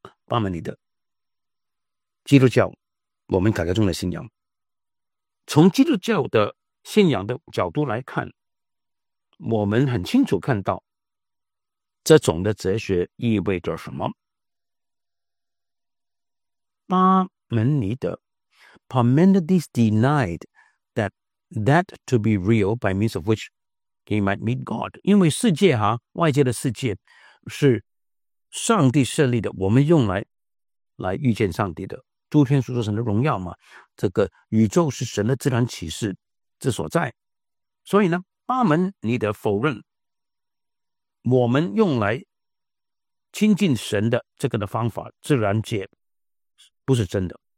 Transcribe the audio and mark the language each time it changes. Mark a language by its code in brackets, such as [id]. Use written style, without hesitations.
[zh] 巴门里的基督教，我们改革中的信仰。从基督教的信仰的角度来看，我们很清楚看到这种的哲学意味着什么。 [en] 巴门尼德 Parmenides denied that to be real by means of which he might meet God. [zh] 因为世界哈，外界的世界是上帝设立的，我们用来遇见上帝的。诸天属神的荣耀嘛，这个宇宙是神的自然启示之所在。所以呢，巴门尼德否认我们用来亲近神的这个的方法，自然界不是真的。